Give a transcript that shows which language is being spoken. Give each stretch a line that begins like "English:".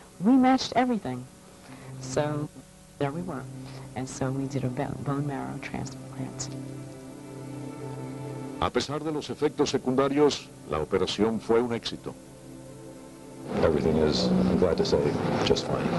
English: We matched everything. So there we were. And so we did a bone marrow transplant.
Spanish: A pesar de los efectos secundarios, la operación fue un éxito.
English: Everything is, I'm glad to say, just fine.